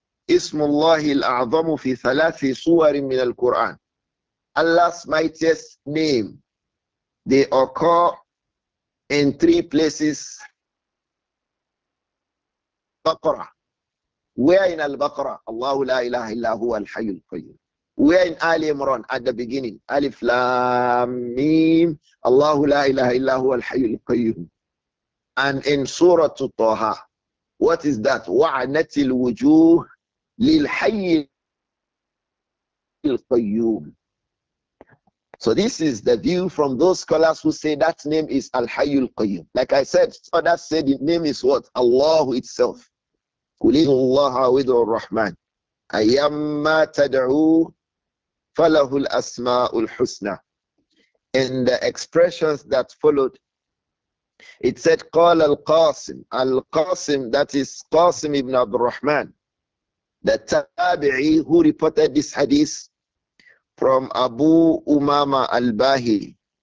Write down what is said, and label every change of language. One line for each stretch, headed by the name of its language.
Arabic: اسم الله الأعظم في ثلاث صور من القرآن.
English: Allah's mightiest name, they occur in three places.
Arabic: بقرة.
English: Where in
Arabic: البقرة الله لا إله إلا هو الحي القيوم.
English: Where in آل عمران at the beginning.
Arabic: ألف لام ميم الله لا إله إلا هو الحي القيوم.
English: And in سورة طه. What is that?
Arabic: وعنت الوجوه للحي القيوم.
English: So this is the view from those scholars who say that name is الحي القيوم. Like I said, others say the name is what? Allah itself.
Arabic: قل إن الله عوذ الرحمن أيما تدعو فله الأسماء الحسنى.
English: In the expressions that followed, it said
Arabic: قال القاسم.
English: القاسم, that is قاسم ابن عبد الرحمن, the تابعي, who reported this hadith from Abu Umama al-Bahili.